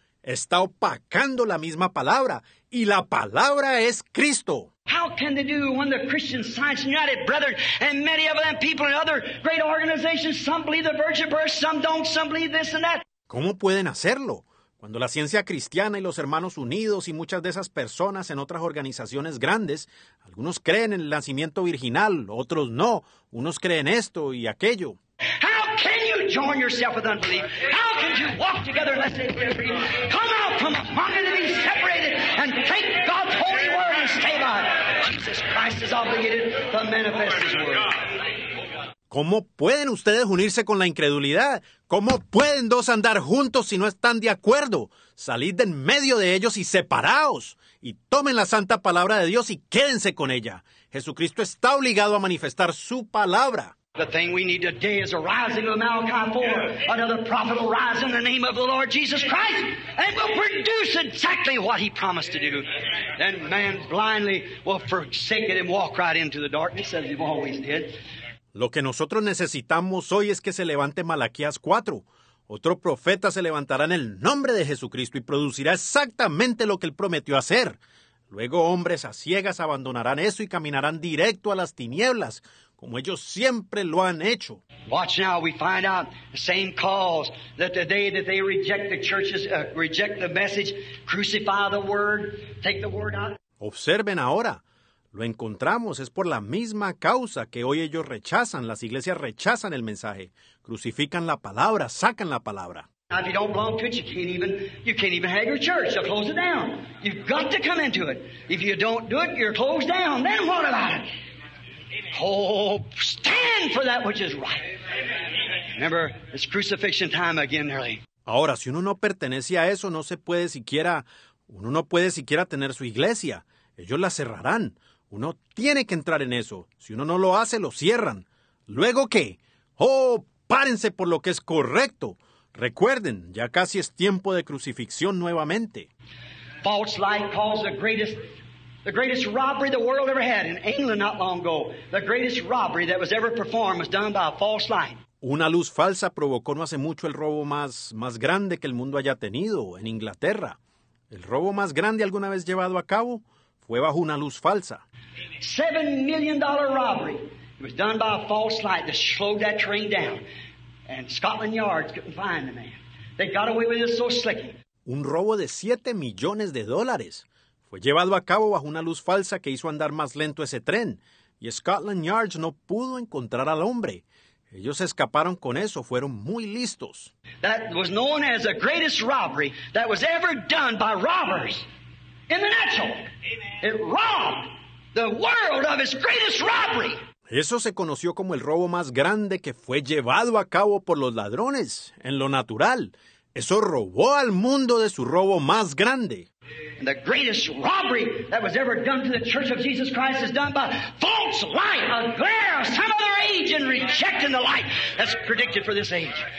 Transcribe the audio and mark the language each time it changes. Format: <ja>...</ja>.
<es>Está opacando la misma palabra, y la palabra es Cristo.</es> <en>How can they do when the Christian Science United Brethren and many of them people and other great organizations, some believe the virgin birth, some don't, some believe this and that?</en> <es>¿Cómo pueden hacerlo? Cuando la ciencia cristiana y los hermanos unidos y muchas de esas personas en otras organizaciones grandes, algunos creen en el nacimiento virginal, otros no, unos creen esto y aquello.</es> <en>How can you join yourself with unbelief? How can you walk together unless they be free? Come out from among them to be separated and take God's holy word and stay by it. Jesus Christ is obligated to manifest his word.</en> <es>¿Cómo pueden ustedes unirse con la incredulidad? ¿Cómo pueden dos andar juntos si no están de acuerdo? Salid de en medio de ellos y separaos. Y tomen la santa palabra de Dios y quédense con ella. Jesucristo está obligado a manifestar su palabra.</es> <en>The thing we need today is a rising of Malachi 4. Another prophet will rise in the name of the Lord Jesus Christ and will produce exactly what he promised to do. Then man blindly will forsake it and walk right into the darkness as he always did.</en> <es>Lo que nosotros necesitamos hoy es que se levante Malaquías 4. Otro profeta se levantará en el nombre de Jesucristo y producirá exactamente lo que él prometió hacer. Luego hombres a ciegas abandonarán eso y caminarán directo a las tinieblas, como ellos siempre lo han hecho.</es> <en>Watch now, we find out the same cause that the day that they reject the churches, reject the message, crucify the word, take the word out.</en> <es>Observen ahora. Lo encontramos, es por la misma causa que hoy ellos rechazan, las iglesias rechazan el mensaje. Crucifican la palabra, sacan la palabra.</es> <en>If you don't belong to it, you can't even have your church. They'll close it down. You've got to come into it. If you don't do it, you're closed down. Then what about it? Oh, stand for that which is right. Remember, it's crucifixion time again, nearly.</en> <es>Ahora, si uno no pertenece a eso, no se puede siquiera, uno no puede siquiera tener su iglesia. Ellos la cerrarán. Uno tiene que entrar en eso. Si uno no lo hace, lo cierran. ¿Luego qué? ¡Oh, párense por lo que es correcto! Recuerden, ya casi es tiempo de crucifixión nuevamente.</es> <en>False light caused the greatest robbery the world ever had in England not long ago. The greatest robbery that was ever performed was done by a false light.</en> <es>Una luz falsa provocó no hace mucho el robo más grande que el mundo haya tenido en Inglaterra. El robo más grande alguna vez llevado a cabo fue bajo una luz falsa.</es> <en>$7 million robbery. It was done by a false light that slowed that train down. And Scotland Yard couldn't find the man. They got away with it so slicky.</en> <es>Un robo de $7 millones fue llevado a cabo bajo una luz falsa que hizo andar más lento ese tren. Y Scotland Yard no pudo encontrar al hombre. Ellos escaparon con eso, fueron muy listos.</es> <en>That was known as the greatest robbery that was ever done by robbers in the natural. It robbed the world of its greatest robbery.</en> <es>Eso se conoció como el robo más grande que fue llevado a cabo por los ladrones en lo natural. Eso robó al mundo de su robo más grande.</es> <en>And the greatest robbery that was ever done to the Church of Jesus Christ is done by false light, a glare of some other age and rejecting the light that's predicted for this age.</en>